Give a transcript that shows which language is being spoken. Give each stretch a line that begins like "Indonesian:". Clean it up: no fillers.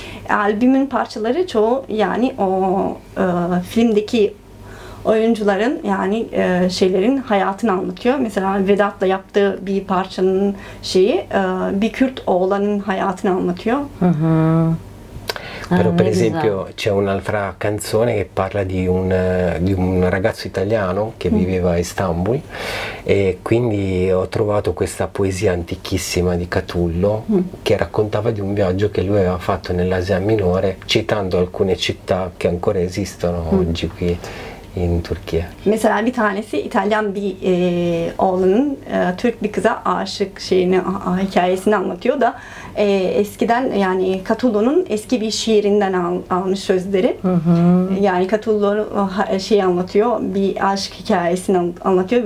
Turkish: Album in parçaları çoğu, yani o filmdeki oyuncuların, yani şeylerin hayatını anlatıyor. Mesela Vedat'la yaptığı bir parçanın şeyi bir Kürt oğlanın hayatını anlatıyor.
Italian: Però per esempio c'è un'altra canzone che parla di un ragazzo italiano che viveva a Istanbul, e quindi ho trovato questa poesia antichissima di Catullo che raccontava di un viaggio che lui aveva fatto nell'Asia Minore, citando alcune città che ancora esistono oggi qui.
Turkish: Mesela bir tanesi İtalyan bir oğlanın Türk bir kıza aşık şeyini, hikayesini anlatıyor da eskiden, yani Catullo'nun eski bir şiirinden almış sözleri. Hı hı. Yani Catullo şeyi anlatıyor, bir aşk hikayesini anlatıyor.